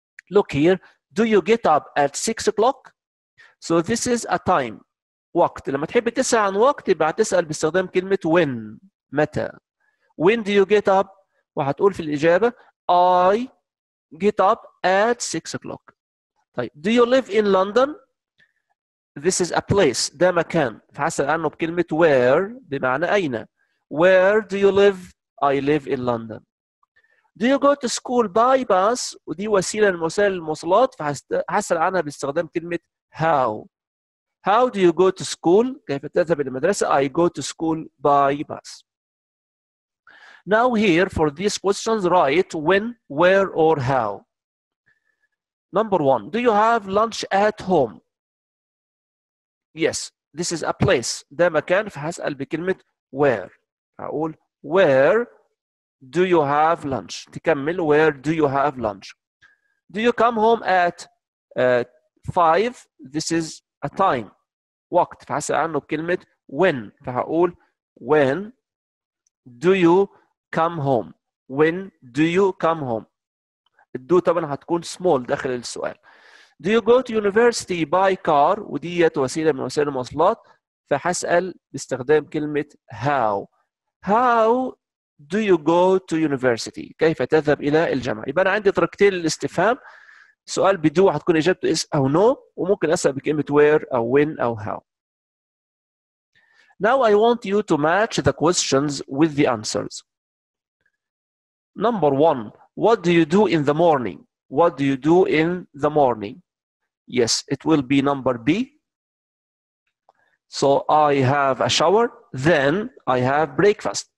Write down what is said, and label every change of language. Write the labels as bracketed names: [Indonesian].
[English] Look here, do you get up at 6 o'clock? So this is a time, وقت. [Arabic] لما تحب تسأل عن وقت يبقى تسأل باستخدام كلمة when, متى. [English] When do you get up? [Arabic] وهتقول في الإجابة [English] I get up at 6 o'clock. طيب do you live in London? This is a place, [Arabic] ده مكان. فحسب عنه بكلمة where بمعنى أين. [English] Where do you live? I live in London. Do you go to school by bus? [Arabic] ودي وسيلة لوسائل المواصلات فحسب عنها باستخدام كلمة how. [English] How do you go to school? [Arabic] كيف تذهب إلى المدرسة؟ [English] I go to school by bus. Now here for these questions write when, where or how. Number one, do you have lunch at home? Yes, this is a place. [Arabic] ده مكان فهسأل بكلمة [English] where. أقول where do you have lunch. تكمل where do you have lunch. Do you come home at 5? This is a time. [Arabic] وقت فهسأل عنه بكلمة when. [English] فهقول when do you come home. When do you come home. [Arabic] الدو طبعا هتكون small داخل السؤال. [English] Do you go to university by car? [Arabic] وديت وسيلة من وسائل المواصلات فحسأل باستخدام كلمة how. [English] How do you go to university? [Arabic] كيف تذهب إلى الجامعة؟ يبقى أنا عندي طريقتين للاستفهام. سؤال بدو حتكون إجابته is أو no وممكن أسأل بكلمة where أو when أو how. [English] Now I want you to match the questions with the answers. Number one, what do you do in the morning? What do you do in the morning? Yes, it will be number B. So I have a shower, then I have breakfast.